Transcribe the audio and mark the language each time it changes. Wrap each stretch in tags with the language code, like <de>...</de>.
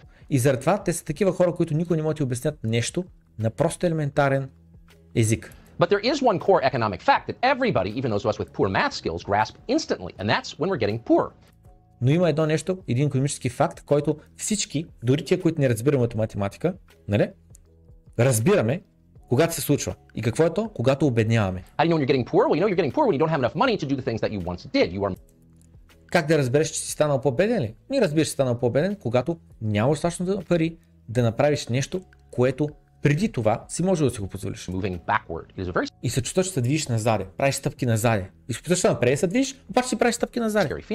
<bg>И затова те са такива хора, които никой не може да обяснят нещо на просто елементарен език.</bg> <en>But there is one core economic fact that everybody, even those of us with poor math skills, grasp instantly, and that's when we're getting poor.</en> <bg>Но има едно нещо, един икономически факт, който всички, дори тия, които не разбираме от математика, нали? Разбираме, когато се случва. И какво е то? Когато обедняваме.</bg> <en>How do you know you're getting poor? Well, you know you're getting poor when you don't have enough money to do the things that you once did. You are...</en> <bg>Как да разбереш, че си станал по-беден ли? Не разбираш, че си станал по-беден, когато нямаш достатъчно пари да направиш нещо, което преди това си може да си го позволиш. И се чувстваш, че се движиш назад, правиш стъпки назад. И се чувстваш, че напред се движиш, обаче си правиш стъпки назад.</bg>